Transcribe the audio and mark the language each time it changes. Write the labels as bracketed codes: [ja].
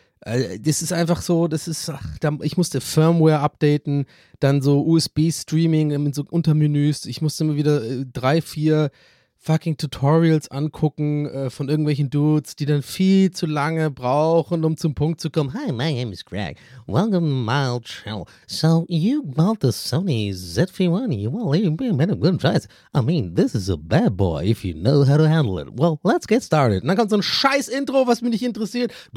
[de] Das ist einfach so, ich musste Firmware updaten, dann so USB-Streaming in so Untermenüs, ich musste mir wieder 3, 4 fucking Tutorials angucken von irgendwelchen Dudes, die dann viel zu lange brauchen, um zum Punkt zu kommen. [en] Hi, my name is Greg. Welcome to my channel. So, you bought the Sony ZV-1. You want to leave me a good choice. I mean, this is a bad boy if you know how to handle it. Well, let's get started. [de] Und dann kommt so ein scheiß Intro, was mich nicht interessiert.